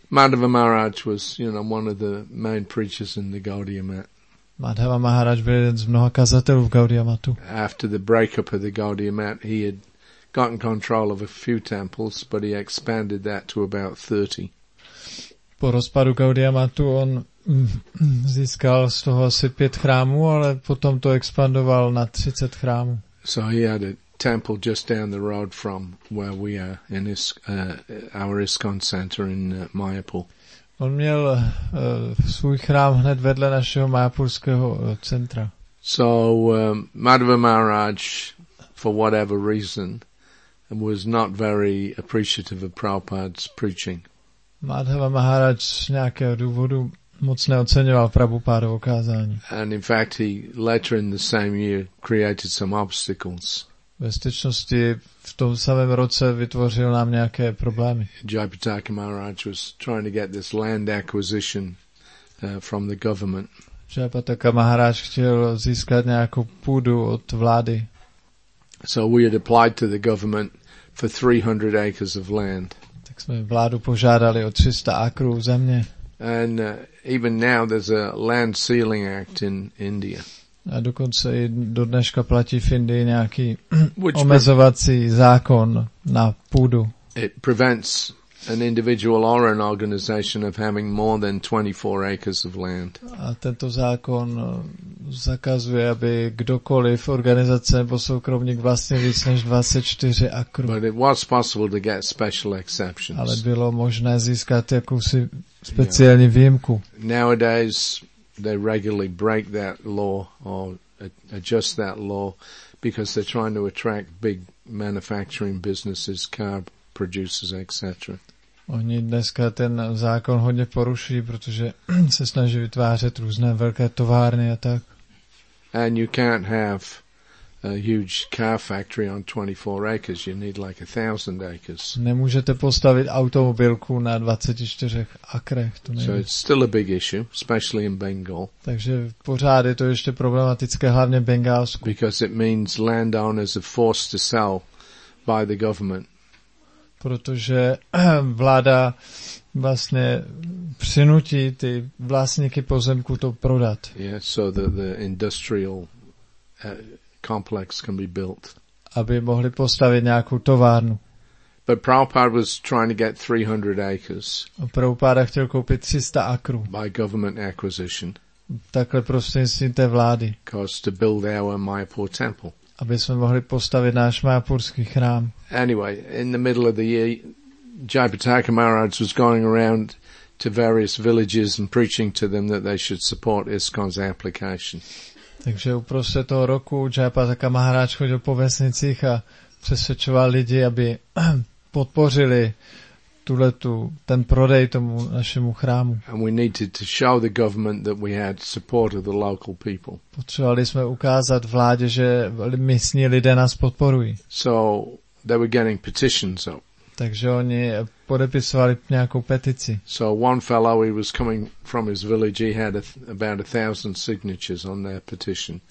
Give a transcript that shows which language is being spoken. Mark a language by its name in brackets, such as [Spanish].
[English] Madhava Maharaj was, you know, one of the main preachers in the Gaudiya Math. [Czech] Madhava Maharaj byl jeden z mnoha kazatelů v Gaudiya Mathu. [English] After the breakup of the Gaudiya Math, he had gotten control of a few temples, but he expanded that to about 30. [Czech] Po rozpadu Gaudiya Mathu on získal z toho asi 5 chrámů, ale potom to expandoval na 30 chrámů. [English] So he had a temple just down the road from where we are in our ISKCON center in Mayapur. [Czech] On měl svůj chrám hned vedle našeho mayapurského centra. [English] So Madhava Maharaj, for whatever reason, was not very appreciative of Prabhupada's preaching. [Czech] Madhava Maharaj z nějakého důvodu moc neoceňoval Prabhupádovo kázání. [English] And in fact he later in the same year created some obstacles. [Czech] Ve skutečnosti v tom samém roce vytvořil nám nějaké problémy. [English] Jayapataka Maharaj was trying to get this land acquisition from the government. [Czech] Jayapataka Maharaj chtěl získat nějakou půdu od vlády. [English] So we had applied to the government for 300 acres of land. [Czech] Tak jsme vládu požádali o 300 akrů země. [English] And even now there's a land sealing act in India. [Czech] A dokonce i do dneška platí v Indii nějaký omezovací zákon na půdu. [English] It prevents an individual or an organization of having more than 24 acres of land. [Czech] A tento zákon zakazuje, aby kdokoliv, organizace nebo soukromník, vlastnil víc než 24 akrů. [English] But it was possible to get special exceptions. [Czech] Ale bylo možné získat jakousi speciální výjimku. [English] Nowadays they regularly break that law or adjust that law because they're trying to attract big manufacturing businesses, car producers, etc. [Czech] Oni dneska ten zákon hodně porušují, protože se snaží vytvářet různé velké továrny a tak. [English] And you can't have a huge car factory on 24 acres. You need like 1,000 acres. [Czech] Nemůžete postavit automobilku na 24 akrech. To [English] so it's still a big issue, especially in Bengal. [Czech] Takže pořád je to ještě problematické, hlavně v Bengálsku. [English] Because it means landowners are forced to sell by the government. [Czech] Protože vláda vlastně přinutí ty vlastníky pozemku to prodat. [English] Yeah, so that the industrial complex can be built. [Czech] Aby mohli postavit nějakou továrnu. [English] But Prabhupada was trying to get 300 acres. [Czech] Prabhupada chtěl koupit 300 akrů. [English] By government acquisition. [Czech] Takhle prostřednictvím té vlády. [English] Cause to build our Mayapur temple. [Czech] Aby jsme mohli postavit náš mayapurský chrám. [English] Anyway, in the middle of the year, Jayapataka Maharaj was going around to various villages and preaching to them that they should support ISKCON's application. [Czech] Takže uprostřed toho roku Jayapataka Maharaj chodil po vesnicích a přesvědčoval lidi, aby podpořili ten prodej tomu našemu chrámu. [English] And we needed to show the government that we had support of the local people. [Czech] Potřebovali jsme ukázat vládě, že místní lidé nás podporují. [English] So they were getting petitions up. [Czech] Takže oni podepisovali nějakou petici. [English] So one fellow, he was coming from his village, he had about 1,000 signatures on their petition.